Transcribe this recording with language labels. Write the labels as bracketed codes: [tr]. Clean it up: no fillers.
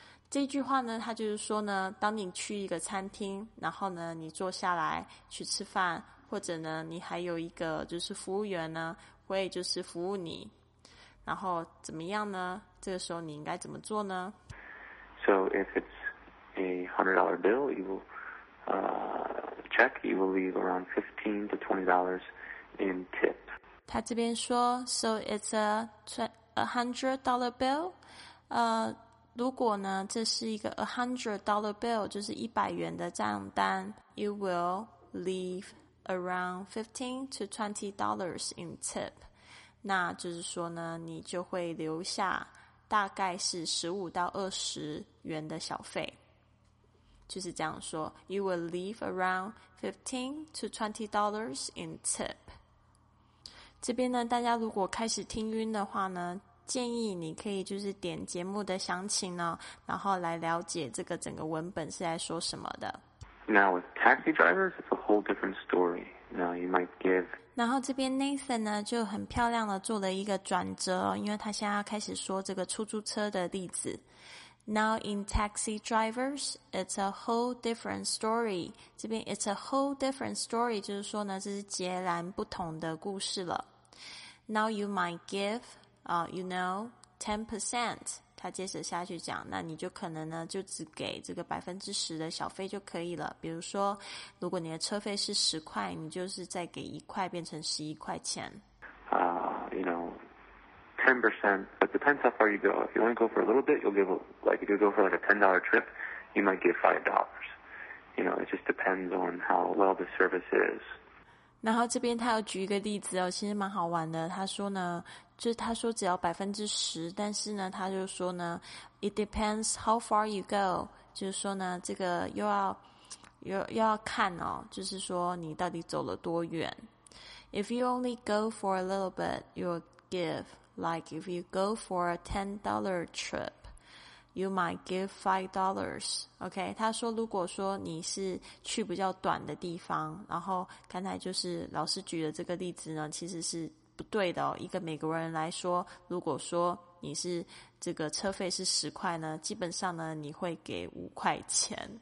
[zh] 这句话呢他就是说呢，当你去一个餐厅，然后呢你坐下来去吃饭，或者呢你还有一个就是服务员呢会就是服务你，然后怎么样呢？这个时候你应该怎么做呢？ [en] So if it's a $100 bill, you will check, you will leave around $15-$20 in tip. [zh] 他这边说 [en] So it's $100 bill. [zh] 如果呢这是一个$100 bill, 就是$100的账单， [en] you will leaveAround $15-$20 in tip， [zh] 那就是说呢你就会留下大概是$15-$20的小费，就是这样说 [en] You will leave around $15-$20 in tip。 [zh] 这边呢大家如果开始听晕的话呢，建议你可以就是点节目的详情呢，然后来了解这个整个文本是在说什么的。 [en] Now with taxi drivers, it's a whole different story. Now you might give. [zh] 然后这边 Nathan 呢就很漂亮的做了一个转折，因为他现在要开始说这个出租车的例子。 [en] Now in taxi drivers, it's a whole different story. [zh] 这边 [en] it's a whole different story [zh] 就是说呢，这是截然不同的故事了。 [en] Now you might give, you know, 10%. [zh] 他接着下去讲，那你就可能呢就只给这个10%的小费就可以了。比如说如果你的车费是10块，你就是再给1块变成11块钱。 [en] You know, 10%, but depends how far you go. If you only go for a little bit, you'll give, like, if you go for, like, a $10 trip, you might get $5. You know, it just depends on how well the service is. [zh] 然后这边他有举一个例子哦，其实蛮好玩的。他说呢，就是他说只要10%，但是呢，他就说呢 ， [en] it depends how far you go， [zh] 就是说呢，这个又要看哦，就是说你到底走了多远。 [en] If you only go for a little bit, you'll give. Like if you go for a $10 trip, you might give $5. [zh] OK， 他说如果说你是去比较短的地方，然后刚才就是老师举的这个例子呢，其实是不对的哦。一个美国人来说，如果说你是这个车费是10块呢，基本上呢你会给5块钱。